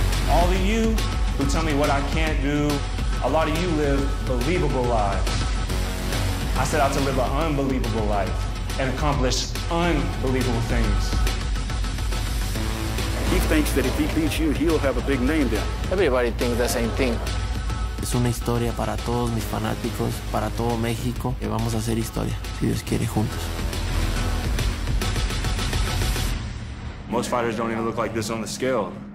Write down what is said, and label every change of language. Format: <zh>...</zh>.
<en>All of you who tell me what I can't do, a lot of you live believable lives. I set out to live an unbelievable life and accomplish unbelievable things. He thinks that if he beats you, he'll have a big name there. Everybody thinks the same thing.</en> <es>Es una historia para todos mis fanáticos, para todo México. Y vamos a hacer historia, si Dios quiere, juntos.</es> <en>Most fighters don't even look like this on the scale.</en>